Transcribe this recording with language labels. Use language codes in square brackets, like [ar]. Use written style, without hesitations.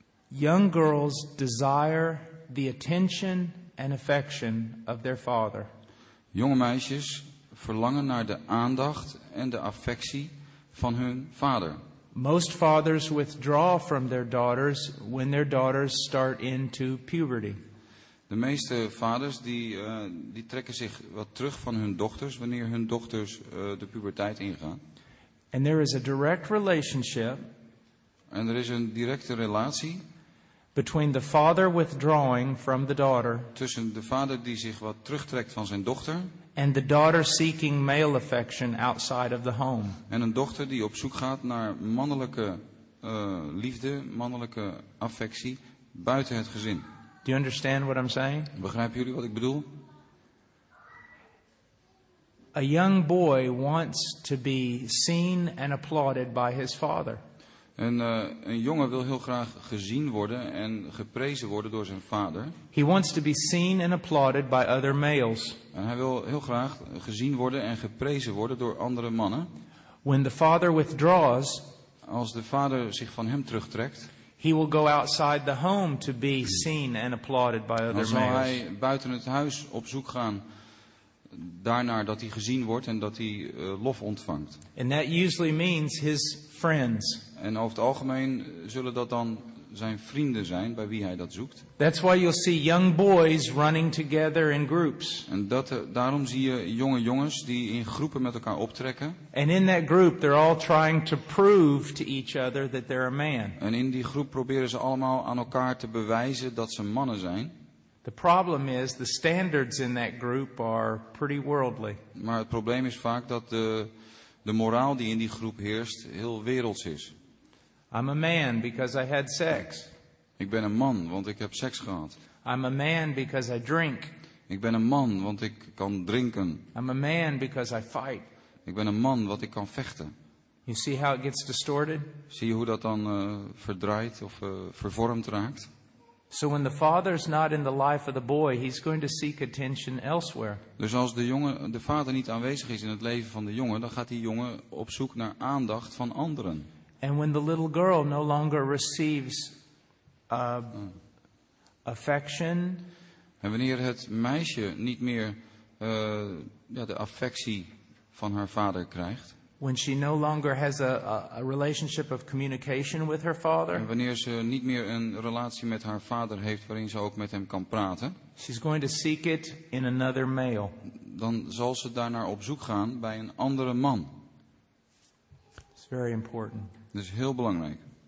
[en] Young girls desire the attention and affection of their father. [nl] Jonge meisjes verlangen naar de aandacht en de affectie van hun vader. [en] Most fathers withdraw from their daughters when their daughters start into puberty. [nl] De meeste vaders die trekken zich wat terug van hun dochters wanneer hun dochters de puberteit ingaan. [en] And there is a direct relationship. [nl] En er is een directe relatie. [en] Between the father withdrawing from the daughter. [nl] Tussen de vader die zich wat terugtrekt van zijn dochter. [en] And the daughter seeking male affection outside of the home. [nl] En een dochter die op zoek gaat naar mannelijke liefde, mannelijke affectie buiten het gezin. [en] Do you understand what I'm saying? [nl] Begrijpen jullie wat ik bedoel? [en] A young boy wants to be seen and applauded by his father. [nl] Een jongen wil heel graag gezien worden en geprezen worden door zijn vader. [en] He wants to be seen and applauded by other males. [nl] En hij wil heel graag gezien worden en geprezen worden door andere mannen. [en] When the father withdraws, [nl] als de vader zich van hem terugtrekt, [en] he will go outside the home to be seen and applauded by other males. [nl] Dan zal hij buiten het huis op zoek gaan daarnaar dat hij gezien wordt en dat hij lof ontvangt. [en] And that usually means his friends. [nl] En over het algemeen zullen dat dan zijn vrienden zijn bij wie hij dat zoekt. [en] That's why you'll see young boys running together in groups. [nl] En daarom zie je jonge jongens die in groepen met elkaar optrekken. [en] And in that group they're all trying to prove to each other that they're a man. [nl] En in die groep proberen ze allemaal aan elkaar te bewijzen dat ze mannen zijn. [en] The problem is the standards in that group are pretty worldly. [nl] Maar het probleem is vaak dat de moraal die in die groep heerst heel werelds is. [en] I'm a man because I had sex. [nl] Ik ben een man want ik heb seks gehad. [en] I'm a man because I drink. [nl] Ik ben een man want ik kan drinken. [en] I'm a man because I fight. [nl] Ik ben een man want ik kan vechten. [en] You see how it gets distorted? [nl] Zie je hoe dat dan verdraaid of vervormd raakt? [en] So when the father's not in the life of the boy, he's going to seek attention elsewhere. [nl] Dus als de vader niet aanwezig is in het leven van de jongen, dan gaat die jongen op zoek naar aandacht van anderen. [en] And when the little girl no longer receives affection. [nl] En wanneer het meisje niet meer de affectie van haar vader krijgt. [en] When she no longer has a relationship of communication with her father. [nl] En wanneer ze niet meer een relatie met haar vader heeft waarin ze ook met hem kan praten. [en] She's going to seek it in another male. [nl] Dan zal ze daarnaar op zoek gaan bij een andere man. [en] It's very important. [nl] Dat is heel belangrijk.